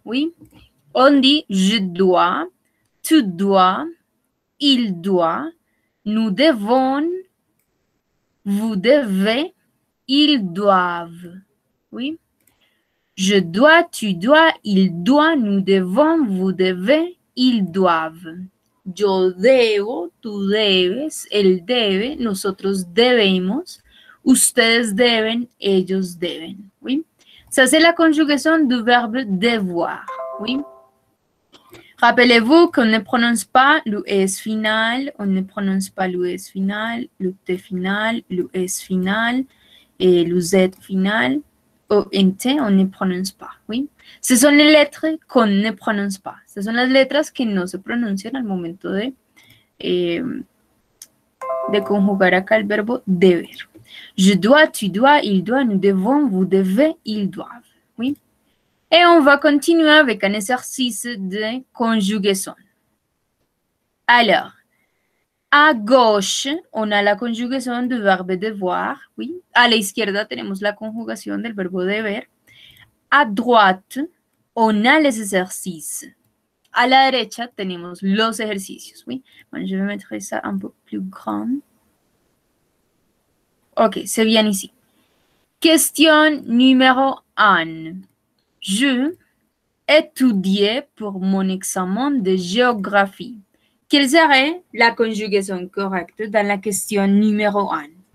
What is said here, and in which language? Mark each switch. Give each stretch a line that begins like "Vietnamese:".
French: Oui, on dit je dois, tu dois, il doit, nous devons, vous devez, ils doivent. Oui. Je dois, tu dois, il doit, nous devons, vous devez, ils doivent.
Spanish: Yo debo, tú debes, él debe, nosotros debemos, ustedes deben, ellos deben.
French: Oui. Ça, c'est la conjugaison du verbe devoir. Oui. Rappelez-vous qu'on ne prononce pas le S final, on ne prononce pas le S final, le T final, le S final et le Z final. O en T, on ne prononce pas, oui. Ce son les lettres qu'on ne prononce pas.
Spanish: Ce son las letras que no se pronuncian al momento de conjugar acá el verbo deber.
French: Je dois, tu dois, il doit, nous devons, vous devez, ils doivent, oui. Et on va continuer avec un exercice de conjugaison. Alors, à gauche, on a la conjugaison du verbe devoir. Oui.
Spanish: À la izquierda, tenemos la conjugación del verbo deber.
French: À droite, on a les exercices.
Spanish: À la derecha, tenemos los ejercicios.
French: Oui. Bueno, je vais mettre ça un peu plus grand. Ok, c'est bien ici. Question numéro 1. Je étudiais pour mon examen de géographie. Quelle serait la conjugaison correcte dans la question numéro 1?